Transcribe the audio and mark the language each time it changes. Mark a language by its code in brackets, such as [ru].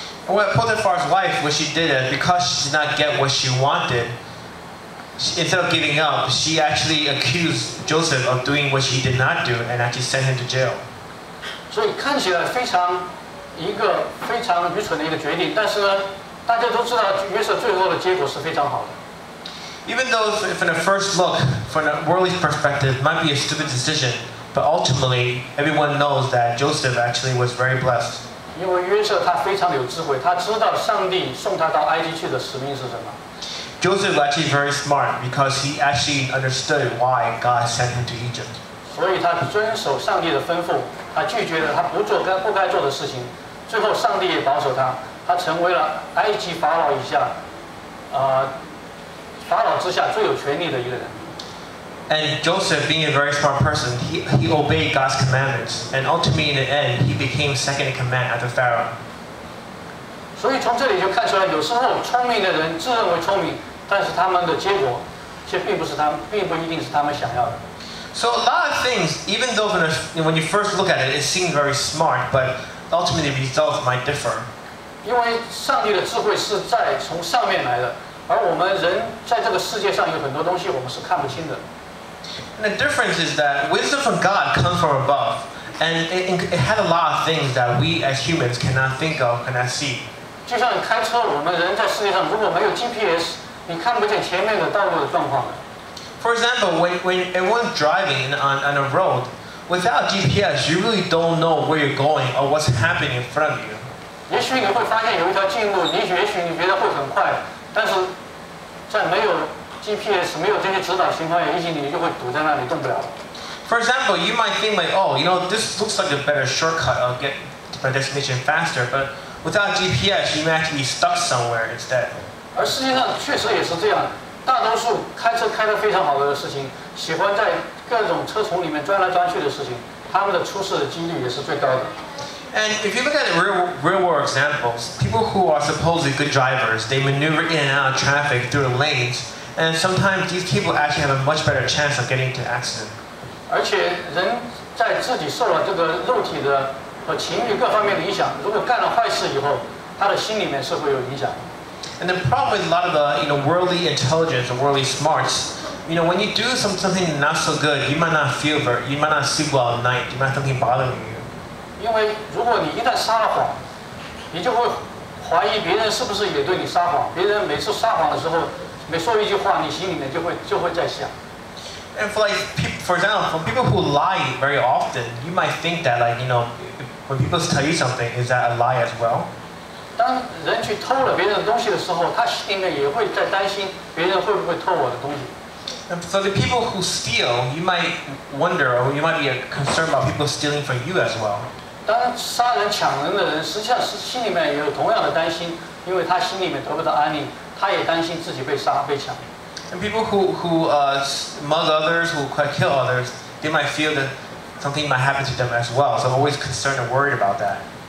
[en] Well, Potiphar's wife, what she did is because she did not get what she wanted, instead of giving up, she actually accused Joseph of doing what she did not do and actually sent him to jail. [zh] 所以看起来非常一个非常愚蠢的一个决定，但是呢。大家都知道约瑟最后的结果是非常好的。 [en] Even though from the first look, from a worldly perspective, might be a stupid decision, but ultimately, everyone knows that Joseph actually was very blessed. [zh] 因为约瑟他非常有智慧，他知道上帝送他到埃及去的使命是什么。 [en] Joseph was actually very smart because he actually understood why God sent him to Egypt. [zh] 所以他遵守上帝的吩咐，他拒绝了他不做该不该做的事情，最后上帝也保守他。他成为了埃及法老以下，法老之下最有权力的一个人。 [en] And Joseph, being a very smart person, he obeyed God's commandments, and ultimately in the end, he became second in command after Pharaoh. [zh] 所以从这里就看出来，有时候聪明的人自认为聪明，但是他们的结果却并不是他们，并不一定是他们想要的。 [en] So a lot of things, even though when you first look at it, it seems very smart, but ultimately the results might differ. [zh] 因为上帝的智慧是在从上面来的，而我们人在这个世界上有很多东西我们是看不清的。 [en] And the difference is that wisdom from God comes from above, and it has a lot of things that we as humans cannot think of, cannot see. [zh] 就像开车，我们人在世界上如果没有 GPS, 你看不见前面的道路的状况。 [en] For example, when everyone's driving on a road, without GPS, you really don't know where you're going or what's happening in front of you. [zh] 也许你会发现有一条近路，也许你觉得会很快，但是在没有 GPS、没有这些指导情况下，也许你就会堵在那里动不了。 [en] For example, you might think like, oh, you know, this looks like a better shortcut of get to my destination faster, but without GPS, you might actually be stuck somewhere instead. [zh] 而实际上确实也是这样，大多数开车开得非常好的事情，喜欢在各种车丛里面钻来钻去的事情，他们的出事的几率也是最高的。 [en] And if you look at real world examples, people who are supposedly good drivers, they maneuver in and out of traffic through the lanes, and sometimes these people actually have a much better chance of getting into an accident. [zh] 而且人在自己受了这个肉体的和情欲各方面的影响，如果干了坏事以后，他的心里面是会有影响。 [en] And the problem with a lot of the, you know, worldly intelligence or worldly smarts, you know, when you do something not so good, you might not sleep well at night, you might have something bothering you. [zh] 因为如果你一旦撒了谎，你就会怀疑别人是不是也对你撒谎。别人每次撒谎的时候，每说一句话，你心里面就会在想。 [en] And for like people, for example, for people who lie very often, you might think that like you know, when people tell you something, is that a lie as well? [zh] 当人去偷了别人的东西的时候，他心里面也会在担心别人会不会偷我的东西。 [en] And for the people who steal, you might wonder or you might be concerned about people stealing from you as well. [zh] 当杀人抢人的人，实际上是心里面也有同样的担心，因为他心里面得不到安宁，他也担心自己被杀被抢。 [en] And people who mug others, who quite kill others, they might feel that something might happen to them as well. So I'm always concerned and worried about that.